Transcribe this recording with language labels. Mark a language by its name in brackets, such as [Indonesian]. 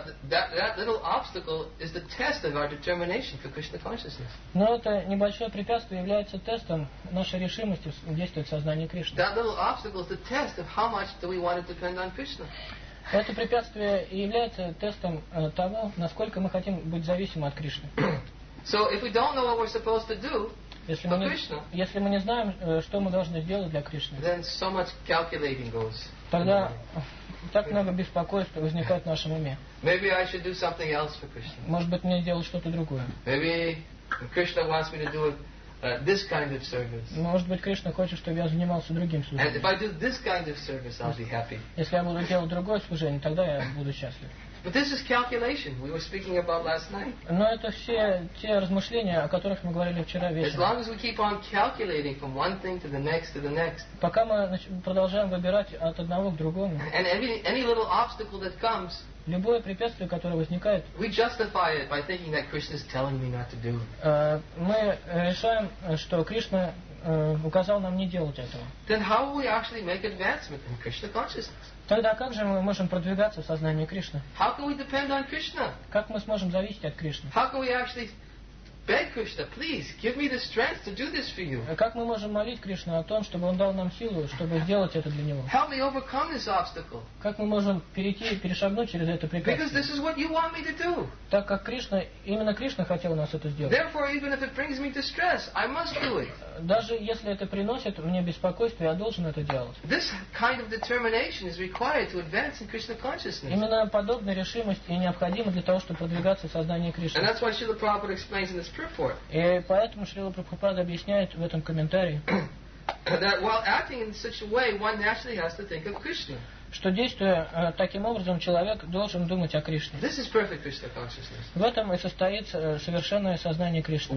[English] That little obstacle is the test of our determination for Krishna consciousness. [Russian] Но это небольшое препятствие является тестом нашей решимости действовать в сознании Кришны. [English] That little obstacle is the test of how much do we want to depend on Krishna. [Russian] Это препятствие является тестом того, насколько мы хотим быть зависимы от Кришны. [English] So if we don't know what we're supposed to do, [Russian] если мы не знаем, что мы должны сделать для Кришны, [English] then so much calculating goes. [Russian] Тогда так много беспокойства возникает в нашем уме. [English] Maybe I should do something else for Krishna. [Russian] Может быть, мне сделать что-то другое. [English] Maybe Krishna wants me to do this kind of service. [Russian] Может быть, Кришна хочет, чтобы я занимался другим служением. [English] And if I do this kind of service, I'll be happy. [Russian] Если я буду делать другое служение, тогда я буду счастлив. [English] But this is calculation we were speaking about last night. [Russian] Но это все те размышления, о которых мы говорили вчера вечером. [English] As long as we keep on calculating from one thing to the next to the next. [Russian] Пока мы продолжаем выбирать от одного к другому. [English] And any little obstacle that comes. [Russian] Любое препятствие, которое возникает. [English] We justify it by thinking that Krishna is telling me not to do. [Russian] Мы решаем, что Кришна указал нам не делать этого. [English] Then how will we actually make advancement in Krishna consciousness? [Russian] Тогда как же мы можем продвигаться в сознании Кришны? [English] How can we depend on Krishna? [Russian] Как мы сможем зависеть от Кришны? [English] How can we actually beg Krishna, please give me the strength to do this for you? [Russian] Как мы можем молить Кришну о том, чтобы он дал нам силу, чтобы сделать это для него? [English] Help me overcome this obstacle. [Russian] Как мы можем перешагнуть через это препятствие? [English] Because this is what you want me to do. [Russian] Так как Кришна, именно Кришна хотел у нас это сделать. [English] Therefore, even if it brings me distress, I must do it. [Russian] Даже если это приносит мне беспокойство, я должен это делать. [English] This kind of determination is required to advance in Krishna consciousness. [Russian] Именно подобная решимость и необходима для того, чтобы продвигаться в сознании Кришны. [English] And that's why Srila Prabhupada explains in this purport. [Russian] И поэтому Шрила Прабхупада объясняет в этом комментарии, [English] that while acting in such a way, one naturally has to think of Krishna. [Russian] Что действуя таким образом, человек должен думать о Кришне. [English] This is perfect Krishna consciousness. [Russian] В этом и состоит совершенное сознание Кришны.